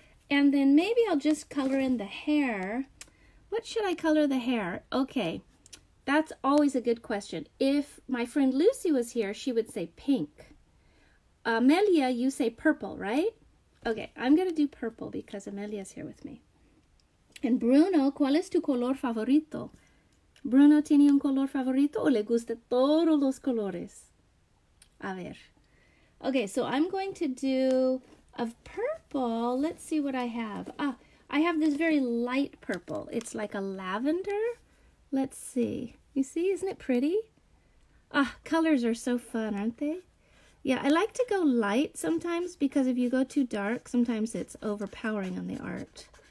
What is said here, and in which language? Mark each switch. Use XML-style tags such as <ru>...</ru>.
<en>And then maybe I'll just color in the hair. What should I color the hair? Okay, that's always a good question. If my friend Lucy was here, she would say pink. Amelia, you say purple, right? Okay, I'm gonna do purple because Amelia's here with me.</en> <es>And Bruno, ¿cuál es tu color favorito? Bruno, ¿tiene un color favorito o le gusta todos los colores? A ver.</es> <en>Okay, so I'm going to do of purple. Let's see what I have. Ah, I have this very light purple. It's like a lavender. Let's see. You see, isn't it pretty? Ah, colors are so fun, aren't they? Yeah, I like to go light sometimes because if you go too dark, sometimes it's overpowering on the art.</en>